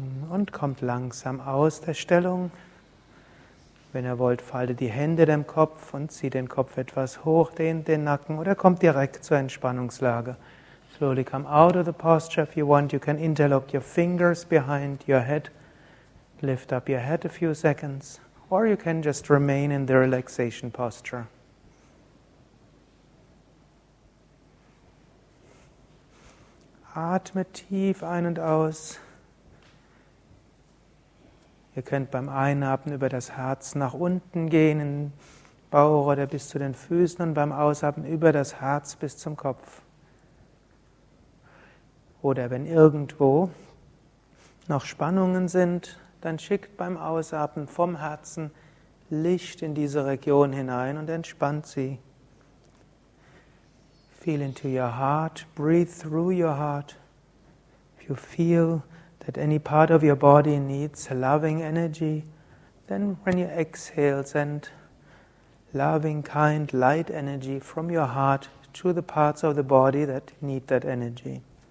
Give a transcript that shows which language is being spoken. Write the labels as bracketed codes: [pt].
[de] Und kommt langsam aus der Stellung. Wenn ihr wollt, faltet die Hände dem Kopf und zieht den Kopf etwas hoch, dehnt den Nacken oder kommt direkt zur Entspannungslage. [en] Slowly come out of the posture if you want. You can interlock your fingers behind your head. Lift up your head a few seconds. Or you can just remain in the relaxation posture. [de] Atme tief ein und aus. Ihr könnt beim Einatmen über das Herz nach unten gehen, in den Bauch oder bis zu den Füßen und beim Ausatmen über das Herz bis zum Kopf. Oder wenn irgendwo noch Spannungen sind, dann schickt beim Ausatmen vom Herzen Licht in diese Region hinein und entspannt sie. [en] Feel into your heart, breathe through your heart. If you feel that any part of your body needs loving energy, then when you exhale, send loving, kind, light energy from your heart to the parts of the body that need that energy.